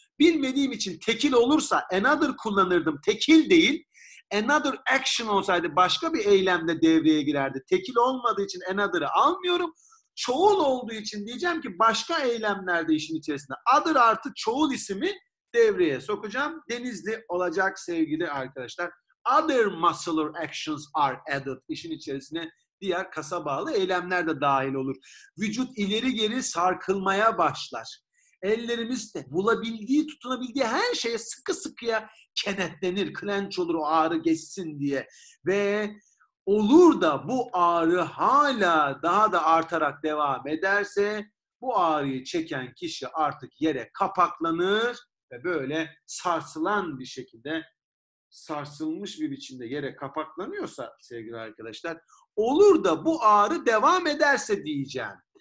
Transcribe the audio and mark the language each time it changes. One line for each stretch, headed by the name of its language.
Turkish: Bilmediğim için tekil olursa another kullanırdım. Tekil değil, another action olsaydı başka bir eylemde devreye girerdi. Tekil olmadığı için another'ı almıyorum. Çoğul olduğu için diyeceğim ki başka eylemlerde işin içerisinde. Other artı çoğul ismi devreye sokacağım. Denizli olacak sevgili arkadaşlar.
English: Other muscular actions are added.
Turkish: İşin içerisine diğer kasa bağlı eylemler de dahil olur. Vücut ileri geri sarkılmaya başlar. Ellerimiz de bulabildiği, tutunabildiği her şeye sıkı sıkıya kenetlenir. Clench olur, o ağrı geçsin diye. Ve olur da bu ağrı hala daha da artarak devam ederse, bu ağrıyı çeken kişi artık yere kapaklanır ve böyle sarsılan bir şekilde, sarsılmış bir biçimde yere kapaklanıyorsa sevgili arkadaşlar, olur da bu ağrı devam ederse diyeceğim.